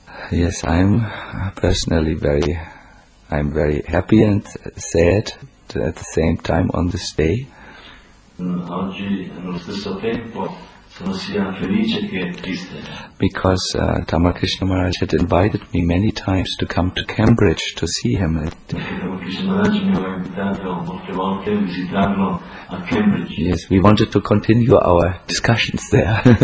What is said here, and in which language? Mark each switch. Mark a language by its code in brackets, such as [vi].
[en] Yes, I'm personally very happy and sad at the same time on this day. [it] Oggi, allo stesso tempo, sono sia felice che triste. [en] Because Thapakrishna Maharaj had invited me many times to come to Cambridge to see him. [it] Thapakrishna Maharaj mi aveva invitato molte volte a visitarlo a Cambridge. [en] Yes, we wanted to continue our discussions there.